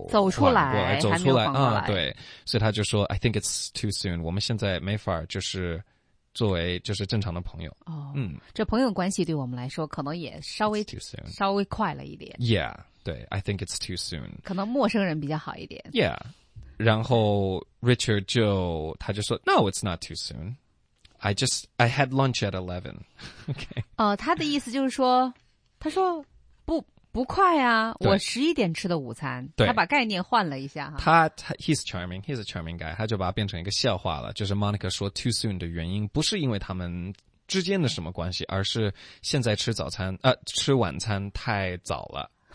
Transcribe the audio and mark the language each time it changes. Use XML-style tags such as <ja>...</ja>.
<zh>走出来，还没有缓过来、啊、对，所以他就说</zh> <en>I think it's too soon，</en> <zh>我们现在没法就是作为就是正常的朋友、哦、嗯，这朋友关系对我们来说可能也稍微</zh> <en>too soon</en> <zh>稍微快了一点</zh> <en>yeah</en> <zh>对</zh> <en>I think it's too soon，</en> <zh>可能陌生人比较好一点</zh> <en>yeah。</en> <zh>然后 Richard 他就说</zh> <en>No it's not too soon I had lunch at 11 okay、</en> <zh>他的意思就是说他说不快啊，我11点吃的午餐。对，他把概念换了一下哈。他</zh> <en>he's a charming guy，</en> <zh>他就把它变成一个笑话了。就是 Monica 说 too soon 的原因不是因为他们之间的什么关系，而是现在吃早餐吃晚餐太早了。</zh>